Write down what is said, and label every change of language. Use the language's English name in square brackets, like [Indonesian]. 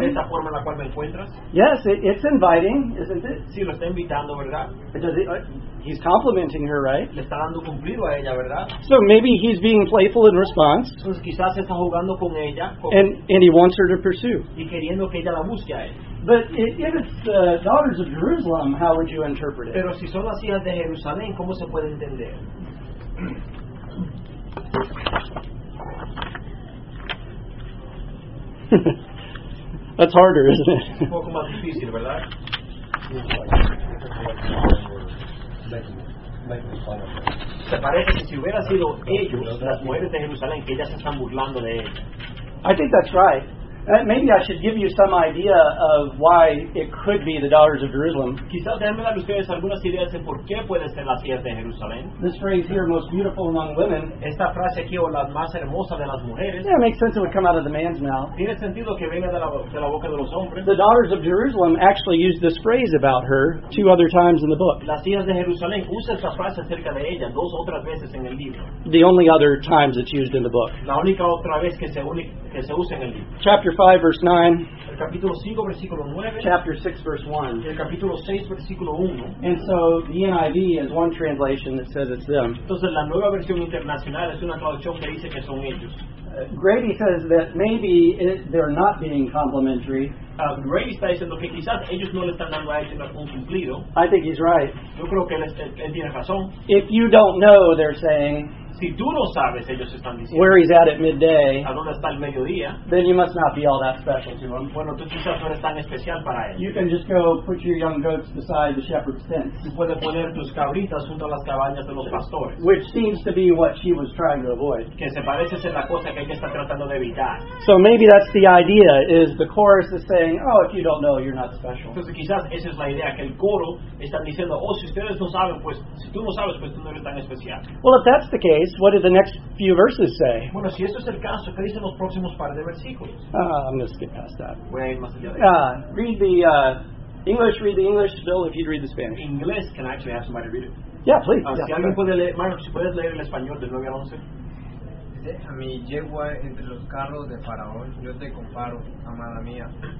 [Spanish] ¿Es esta forma en la cual me encuentras? [English] Yes, it's inviting, isn't it? [Spanish] Sí, lo está invitando, ¿verdad? [English] He's complimenting her, right? [Spanish] Le está dando cumplido a ella, ¿verdad? [English] So maybe he's being playful in response. [Spanish] Entonces, quizás está jugando con ella, con [English] and he wants her to pursue. [Spanish] Y queriendo que ella la busque a él. [English] But if it's the daughters of Jerusalem, how would you interpret it? [Spanish] Pero si son las hijas de Jerusalén, ¿cómo se puede entender? [English] That's harder, isn't it? [Spanish] Un poco más difícil, ¿verdad? Se parece que si hubiera sido ellos, las mujeres de Jerusalén, que ellas están burlando de ellas. [English] I think that's right. Maybe I should give you some idea of why it could be the daughters of Jerusalem. [Spanish] Quizás déjenme darles ustedes algunas ideas de por qué pueden ser las hijas de Jerusalén. [English] This phrase here, most beautiful among women. [Spanish] Esta frase aquí, o la más hermosa de las mujeres. [English] Yeah, it makes sense it would come out of the man's mouth. [Spanish] Tiene sentido que venga de la boca de los hombres. [English] The daughters of Jerusalem actually use this phrase about her two other times in the book. [Spanish] Las hijas de Jerusalén usan esta frase acerca de ella dos otras veces en el libro. [English] The only other times it's used in the book. [Spanish] La única otra vez que se usa en el libro. [English] Chapter 5 verse 9. [Spanish] El capítulo 5 versículo 9. [English] Chapter 6 verse 1. [Spanish] El capítulo 6 versículo 1. [English] And so the NIV is one translation that says it's them. [Spanish] Entonces la nueva versión internacional es una traducción que dice que son ellos. [English] Grady says that maybe they're not being complimentary. [Spanish] Grady está diciendo que quizás ellos no le están dando a ella un cumplido. [English] I think he's right. [Spanish] Yo creo que él tiene razón. [English] If you don't know, they're saying. [Spanish] Si tú no sabes, ellos están diciendo, [English] where he's at midday, [Spanish] a dónde está el mediodía, [English] then you must not be all that special to him. [Spanish] Bueno, tú quizás no eres tan especial para él. [English] You can just go put your young goats beside the shepherd's tents. [Spanish] Tú puedes poner tus cabritas junto a las cabañas de los pastores. [English] Which seems to be what she was trying to avoid. [Spanish] Que se parece ser la cosa que ella está tratando de evitar. [English] So maybe that's the idea, is the chorus is saying, oh, if you don't know, you're not special. [Spanish] Entonces quizás esa es la idea, que el coro está diciendo, oh, si ustedes no saben, pues, si tú no sabes, pues tú no eres tan especial. [English] Well, if that's the case, what do the next few verses say? [Spanish] Bueno, si eso es el caso, ¿qué dicen los próximos par de versículos? [English] I'm going to skip past that. [Spanish] Way más allá. [English] Read the English. Read the English. Bill, if you'd read the Spanish. Inglés. Can I actually have somebody read it? Yeah, please. [Spanish] Si alguien puede leer, Marcos, si puedes leer el español del 9 al 11. Dice, a mi yegua entre los carros de Faraón, yo te comparo, amada mía.